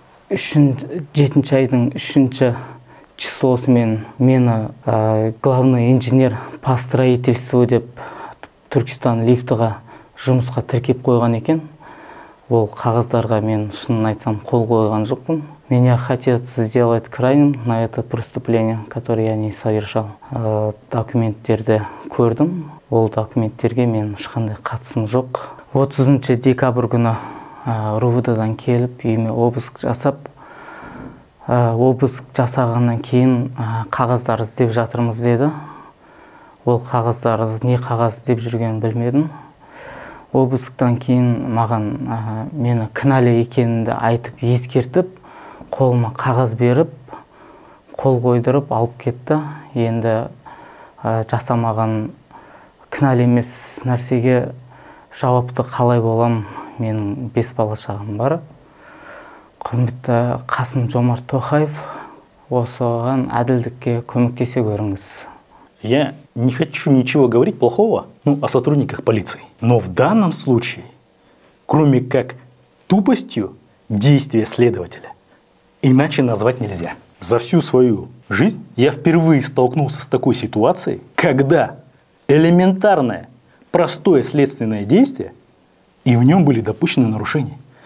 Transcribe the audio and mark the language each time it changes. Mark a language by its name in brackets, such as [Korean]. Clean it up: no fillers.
[Kazakh] 7 айдың 3-ші числосы мені [Russian] главный инженер по строительству [Kazakh] деп Түркістан лифтіға жұмысқа тіркеп қойған екен. Ол қағыздарға мен шынын айтсам қол қойған жоқпын. [Russian] Меня хотят сделать крайним на это преступление, которое я не совершал. [Kazakh] Документтерді көрдім. Ол документтерге мен ешқандай қатысым жоқ. 30 декабрь күні РУВД-дан келіп, үйіме обыск жасап. Обыск жасағаннан кейін қағаздар іздеп жатырмыз деді. Ол қағаздар не қағаз деп жүрген білмедім. Обысктан кейін маған мені кінәлі екенімді айтып ескертіп, қолыма қағаз беріп, қол қойдырып алып кетті. Енді жасамаған кінәлі емес нәрсеге жауапты қалай болам, менің 5 бала шағам бар. Құрметті Қасым Жомарт Тоқаев, осыған әділдікке көмектесе көріңіз. [Russian] Я не хочу ничего говорить плохого, о сотрудниках полиции. Но в данном случае, кроме как тупостью, действия следователя иначе назвать нельзя. За всю свою жизнь я впервые столкнулся с такой ситуацией, когда элементарное, простое следственное действие, и в нем были допущены нарушения.